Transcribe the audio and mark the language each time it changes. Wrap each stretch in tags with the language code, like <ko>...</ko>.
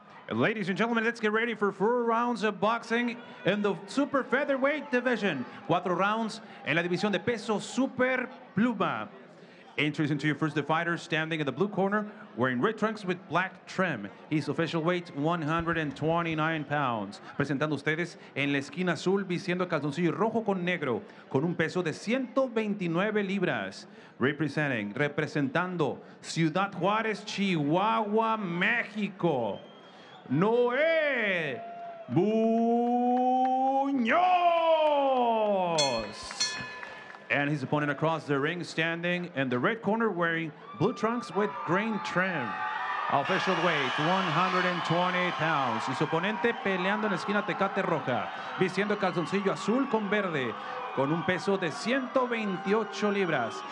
<en>Ladies and gentlemen, let's get ready for 4 rounds of boxing in the super featherweight division. 4 rounds in</en> <es>la división de peso super pluma.</es> <en>Introducing to you first the fighter standing in the blue corner, wearing red trunks with black trim. His official weight, 129 pounds.</en> <es>Presentando ustedes en la esquina azul, vistiendo calzoncillo rojo con negro, con un peso de 129 libras. Representando Ciudad Juarez, Chihuahua, México. Noé Munoz.</es> <en>And his opponent across the ring, standing in the red corner, wearing blue trunks with green trim. Official weight, 128 pounds.</en> <es>Su oponente peleando en la esquina Tecate Roja, vistiendo calzoncillo azul con verde, con un peso de 128 libras.</es>